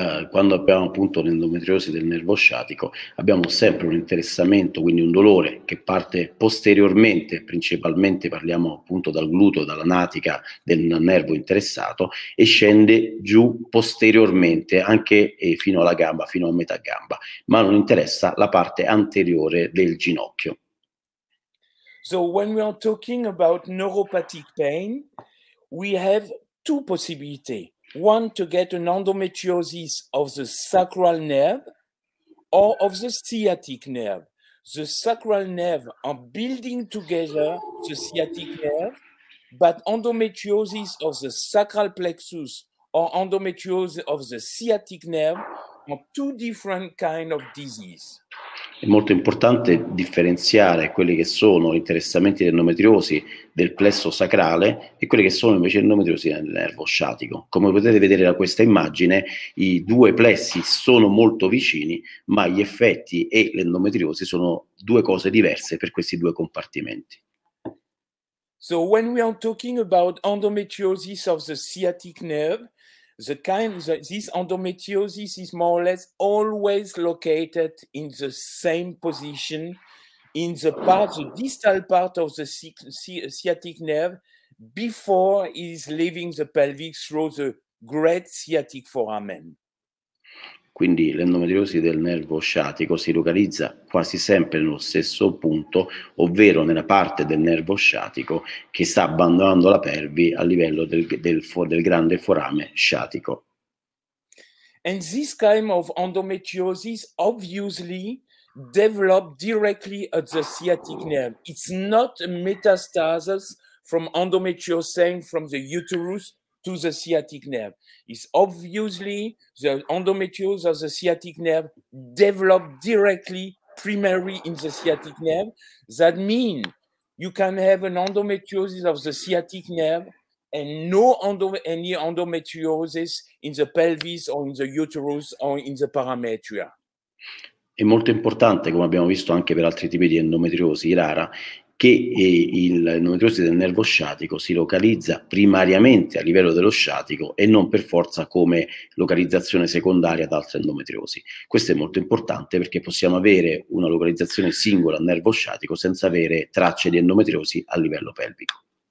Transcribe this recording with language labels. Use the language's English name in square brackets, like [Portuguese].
[Italian] Quando abbiamo appunto l'endometriosi del nervo sciatico, abbiamo sempre un interessamento, quindi un dolore che parte posteriormente, principalmente parliamo appunto dal gluteo, dalla natica del nervo interessato, e scende giù posteriormente anche fino alla gamba, fino a metà gamba, ma non interessa la parte anteriore del ginocchio. [English] So when we are talking about neuropathic pain, we have two possibilities. One, to get an endometriosis of the sacral nerve or of the sciatic nerve. The sacral nerve are building together the sciatic nerve, but endometriosis of the sacral plexus or endometriosis of the sciatic nerve are two different kinds of disease. [Italian] È molto importante differenziare quelli che sono interessamenti endometriosi del plesso sacrale e quelli che sono invece endometriosi del nervo sciatico. Come potete vedere da questa immagine, i due plessi sono molto vicini, ma gli effetti e l'endometriosi sono due cose diverse per questi due compartimenti. [English] So when we are talking about endometriosis of the sciatic nerve, this endometriosis is more or less always located in the same position in the part, the distal part of the sciatic nerve before it is leaving the pelvis through the great sciatic foramen. [Italian] Quindi l'endometriosi del nervo sciatico si localizza quasi sempre nello stesso punto, ovvero nella parte del nervo sciatico che sta abbandonando la pelvi a livello del grande forame sciatico. [English] And this kind of endometriosis obviously developed directly at the sciatic nerve. It's not a metastasis from endometriosis from the uterus to the sciatic nerve. It's obviously the endometriosis of the sciatic nerve developed directly primarily in the sciatic nerve. That means you can have an endometriosis of the sciatic nerve and any endometriosis in the pelvis or in the uterus or in the parametria. [Italian] È molto importante, come abbiamo visto anche per altri tipi di endometriosi rara, che l'endometriosi del nervo sciatico si localizza primariamente a livello dello sciatico e non per forza come localizzazione secondaria ad altre endometriosi. Questo è molto importante perché possiamo avere una localizzazione singola al nervo sciatico senza avere tracce di endometriosi a livello pelvico.